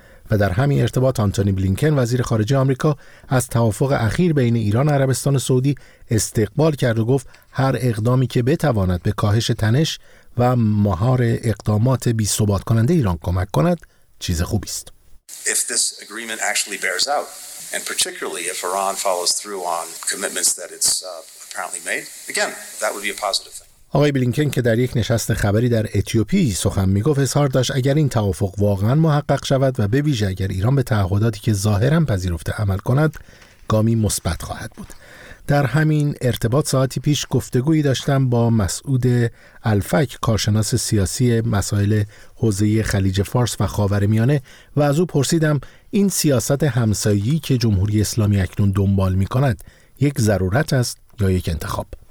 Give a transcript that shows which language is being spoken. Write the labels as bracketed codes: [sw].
[fa] و در همین ارتباط آنتونی بلینکن وزیر خارجه آمریکا از توافق اخیر بین ایران و عربستان سعودی استقبال کرد و گفت هر اقدامی که بتواند به کاهش تنش و مهار اقدامات بی‌ثبات کننده ایران کمک کند چیز خوبی است. [en] If this agreement actually bears out and particularly if Iran follows through on commitments that it's apparently made again that would be a positive thing. [fa] آقای بلینکن که در یک نشست خبری در اتیوپی سخن میگفت اظهار داشت اگر این توافق واقعا محقق شود و به ویژه اگر ایران به تعهداتی که ظاهرا پذیرفته عمل کند گامی مثبت خواهد بود. در همین ارتباط ساعتی پیش گفتگویی داشتم با مسعود الفک کارشناس سیاسی مسائل حوزه خلیج فارس و خاورمیانه و از او پرسیدم این سیاست همسایگی که جمهوری اسلامی اکنون دنبال میکند یک ضرورت است یا یک انتخاب.